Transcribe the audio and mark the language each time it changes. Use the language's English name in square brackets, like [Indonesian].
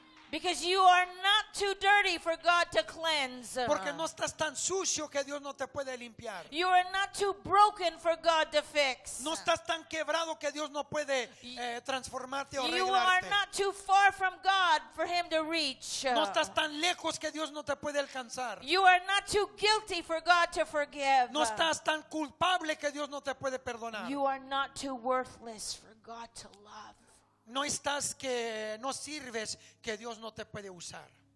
[English] Because you are not too dirty for God to cleanse. [Spanish] Porque no estás tan sucio que Dios no te puede limpiar. [English] You are not too broken for God to fix. [Spanish] No estás tan quebrado que Dios no puede transformarte o arreglarte. [English] You are not too far from God for Him to reach. [Spanish] No estás tan lejos que Dios no te puede alcanzar. [English] You are not too guilty for God to forgive. [Spanish] No estás tan culpable que Dios no te puede perdonar. [English] You are not too worthless for God to love. [Spanish] No estás que no sirves, que Dios no te puede usar.